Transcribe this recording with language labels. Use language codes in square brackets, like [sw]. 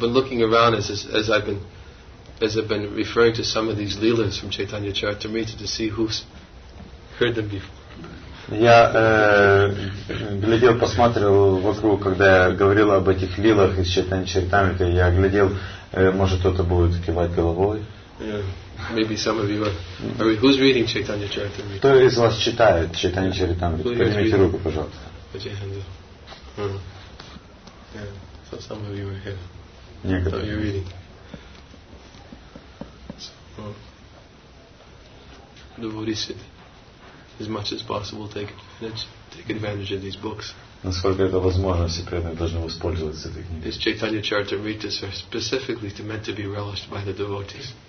[en] I've been looking around as I've been referring to some of these leelas from Chaitanya Charitamrita to see who's heard them before. [ru] Я глядел, посмотрел вокруг, когда я говорил об этих лилах из Чайтаньи Чаритамриты, я глядел. Может, кто-то будет кивать головой. [en] Yeah, maybe some of you are. I mean, who's reading Chaitanya Charitamrita? [ru] Кто из вас читает Чайтанья Чаритамриту? Поднимите руку, пожалуйста. [en] So some of you are here. [ru] Некоторые. [en] So you're reading. The devotees should, as much as possible, take advantage of these books. [ru] Насколько это возможно, все преданные должны воспользоваться этой книгой. [en] These Chaitanya Charitamritas are specifically meant to be relished by the devotees.